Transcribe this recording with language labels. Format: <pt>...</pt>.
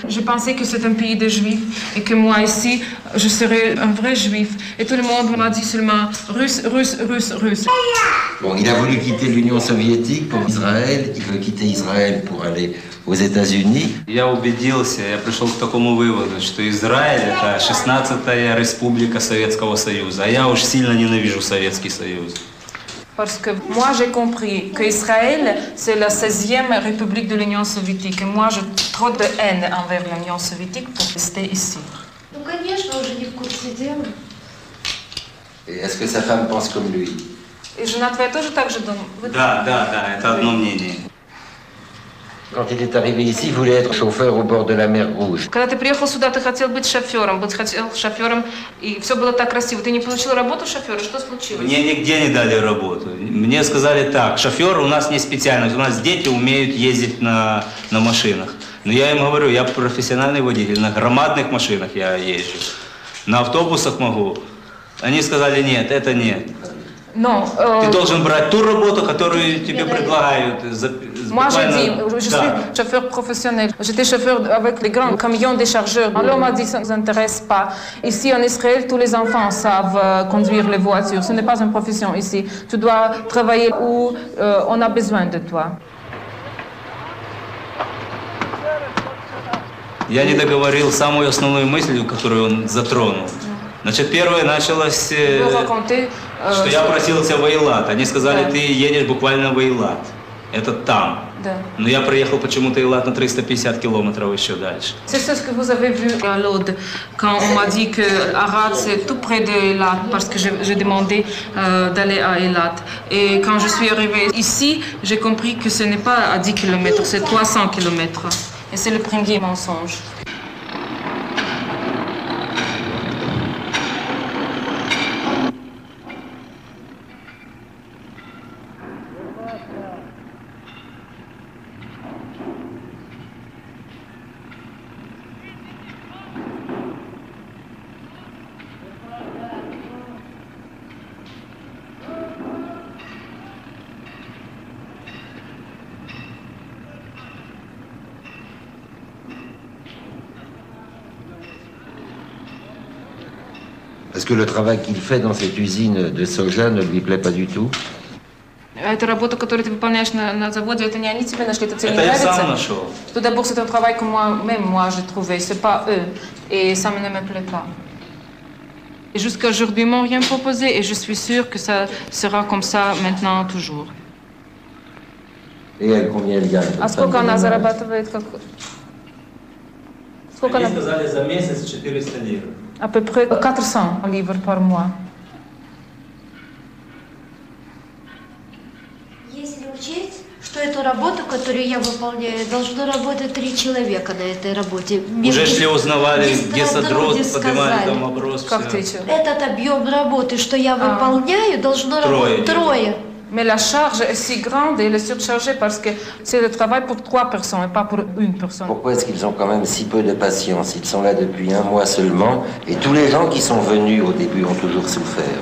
<fr>Je pensais que c'est un pays de juifs et que moi ici, je serais un vrai juif. Et tout le monde m'a dit seulement russe, russe, russe, russe. Bon, il a voulu quitter l'Union soviétique pour Israël. Il veut quitter Israël pour aller aux États-Unis.</fr> <ru>Я убедился, я пришел к такому выводу, что Израиль это 16-я республика Советского Союза. А я уж сильно ненавижу Советский Союз.</ru> <fr>Parce que moi j'ai compris que Israël c'est la 16e république de l'Union soviétique et moi j'ai trop de haine envers l'Union soviétique pour rester ici. Donc bien sûr, je n'ai pas cette idée. Et est-ce que sa femme pense comme lui?</fr> <ru>Et жена твоя тоже так же думает? Да, да, да, это одно мнение.</ru> <fr>Quand il est arrivé ici, il voulait être chauffeur au bord de la mer Rouge.</fr> <ru>Когда ты приехал сюда, ты хотел быть шофёром, и всё было так красиво. Ты не получил работу шофёра? Что случилось? Мне нигде не дали работу. Мне сказали так: шофёр у нас не специальность, у нас дети умеют ездить на машинах. Но я им говорю: я профессиональный водитель, на громадных машинах я езжу. На автобусах могу. Они сказали: нет, это нет. Но, ты должен брать ту работу, которую тебе предлагают.</ru> <fr>Moi, j'ai dit, je suis chauffeur professionnel. J'étais chauffeur avec les grands camions des chargeurs. Alors, on m'a dit, ça ne s'intéresse pas. Ici, en Israël, tous les enfants savent conduire les voitures. Ce n'est pas une profession ici. Tu dois travailler où on a besoin de toi.</fr> <ru>Я не договорил самую основную мысль, которую он затронул. Значит, первое началось, что я просился в Эйлат. Они сказали, ты едешь буквально в Эйлат. Это там. Да. Но я приехал почему-то и ладно 350 километров еще дальше.</ru> <fr>C'est ce que vous avez vu à l'Aude, quand on m'a dit que Arad c'est tout près de Eilat, parce que j'ai demandé d'aller à Eilat. Et quand je suis arrivé ici, j'ai compris que ce n'est pas à 10 km, c'est 300 km. Et c'est le premier mensonge. Que le travail qu'il fait dans cette usine de soja ne lui plaît pas du tout.</fr> <ru>Это работа, которую ты выполняешь на заводе, это не они тебе нашли, это тебе не нравится? Это я сам нашел.</ru> <fr>Tout d'abord, c'est un travail que moi j'ai trouvé, c'est pas eux, et ça ne me plaît pas. Et jusqu'à aujourd'hui, ils m'ont rien proposé, et je suis sûre que ça sera comme ça maintenant toujours. Et elle combien elle gagne?</fr> <ru>А сколько она зарабатывает как? Сколько она? Они сказали за месяц 400 лир.</ru> <fr>À peu près 400 livres par mois.</fr> <ru>Если учесть, что эту работу, которую я выполняю, должно работать 3 человека на этой работе. Уже ли узнавали, где содрот поднимает домоброс? Как ты чё? Этот объем работы, что я выполняю, должно работать трое.</ru> <fr>Mais la charge est si grande et elle est surchargée parce que c'est le travail pour trois personnes et pas pour une personne. Pourquoi est-ce qu'ils ont quand même si peu de patience? Ils sont là depuis un mois seulement et tous les gens qui sont venus au début ont toujours souffert.</fr>